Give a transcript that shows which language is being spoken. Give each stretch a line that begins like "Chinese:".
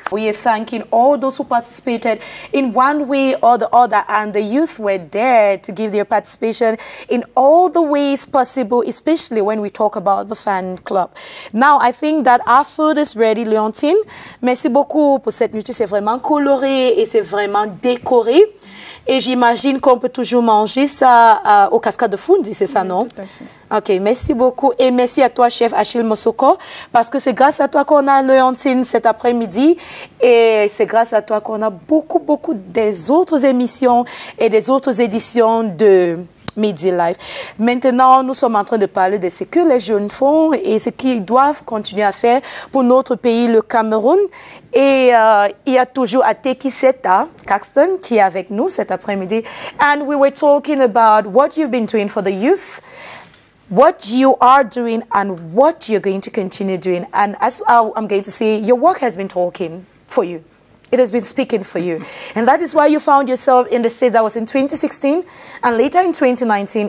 English: We are thanking all those who participated in one way or the other, and the youth were there to give their participation in all the ways possible, especially when we talk about the fan club. Now, I think that our food is ready, Leontine.
French: Merci beaucoup pour cette nuit. C'est vraiment coloré et c'est vraiment décoré. Et j'imagine qu'on peut toujours manger ça au cascade de Fundi, c'est ça, oui, non? Tout à fait. Ok, merci beaucoup. Et merci à toi, chef Achille Mosoko, parce que c'est grâce à toi qu'on a Leontine cet après-midi. Et c'est grâce à toi qu'on a beaucoup, beaucoup des autres émissions et des autres éditions de Midi Live. Maintenant, nous sommes en train de parler de ce que les jeunes font et ce qu'ils doivent continuer à faire pour notre pays, le Cameroun. Et il y a toujours Ateki Seta, Caxton, qui est avec nous cet après-midi.
English: And we were talking about what you've been doing for the youth, what you are doing and what you're going to continue doing. And as I'm going to say, your work has been talking for you. It has been speaking for you. And that is why you found yourself in the States. That was in 2016 and later in 2019.